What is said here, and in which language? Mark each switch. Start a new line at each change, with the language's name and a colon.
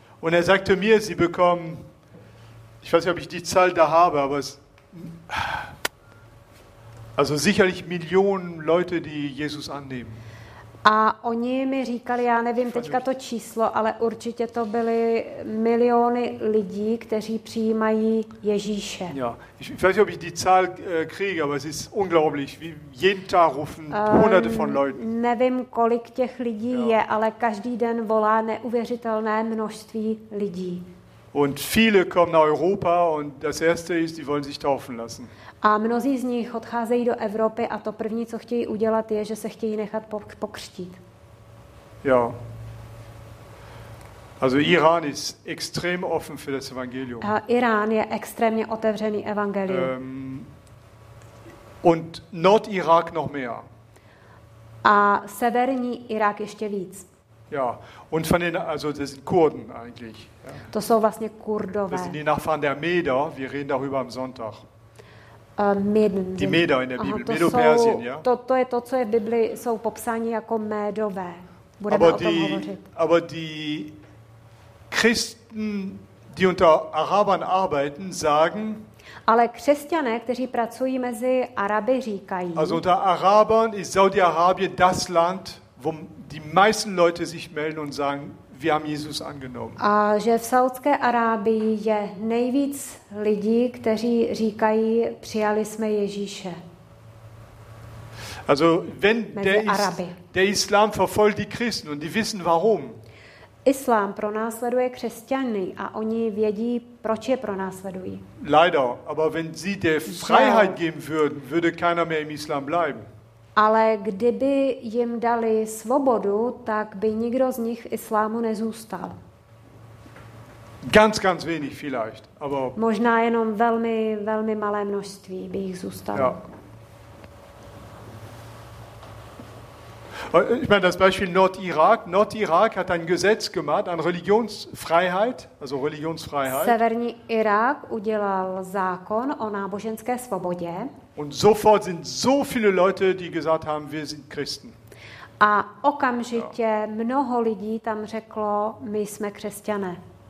German: Und er sagte mir, sie bekommen, ich weiß nicht, ob ich die Zahl da habe, aber es, also sicherlich Millionen Leute, die Jesus annehmen.
Czech: A oni mi říkali, já nevím teďka to číslo, ale určitě to byly miliony lidí, kteří přijímají Ježíše.
German: Ja, ich weiß nicht, ob ich die Zahl kriege, aber es ist unglaublich, wie jeden Tag rufen hunderte von Leuten.
Czech: Nevím, kolik těch lidí je, ale každý den volá neuvěřitelné množství lidí.
German: Und viele kommen nach Europa und das erste ist, die wollen sich taufen lassen.
Czech: A mnozí z nich odcházejí do Evropy a to první, co chtějí udělat, je, že se chtějí nechat pokřtít.
German: Ja. Also Iran ist extrem offen für das Evangelium.
Czech: Irán je extrémně otevřený evangeliu.
German: Und Nordirak noch mehr.
Czech: A severní Irák ještě víc.
German: Ja, und von den, also das sind Kurden eigentlich. Ja.
Czech: To jsou vlastně Kurdové.
German: Das sind die Nachfahren der Meder, wir reden darüber am Sonntag. Meden. Die Meder in der Bibel, Medo-Persien, ja.
Czech: To je to, co je v Bibli, jsou popsáni jako Médové. Budeme aber o tom die, hovořit.
German: Aber die Christen, die unter Arabern arbeiten, sagen...
Czech: Ale křesťané, kteří pracují mezi Araby, říkají...
German: Also unter Arabern ist Saudi-Arabien das Land, wo die meisten Leute sich melden und sagen, wir haben Jesus angenommen.
Czech: A že v Saudské Arábii je nejvíc lidí, kteří říkají, přijali jsme Ježíše.
German: Also wenn der Islam verfolgt die Christen und die wissen warum.
Czech: Islám pronásleduje křesťany a oni vědí, proč je pronásledují.
German: Leider, aber wenn sie der Freiheit geben würden, würde keiner mehr im Islam bleiben.
Czech: Ale kdyby jim dali svobodu, tak by nikdo z nich v islámu nezůstal.
German: Ganz, ganz wenig vielleicht, aber...
Czech: Možná jenom velmi, velmi malé množství by jich zůstalo.
German: Ja. Ich meine, das Beispiel Nordirak. Nordirak hat ein Gesetz gemacht an Religionsfreiheit, also Religionsfreiheit.
Czech: Severní Irák udělal zákon o náboženské svobodě.
German: Und sofort sind so viele Leute, die gesagt haben, wir sind Christen.
Czech: A okamžitě mnoho lidí tam řeklo, my jsme křesťané.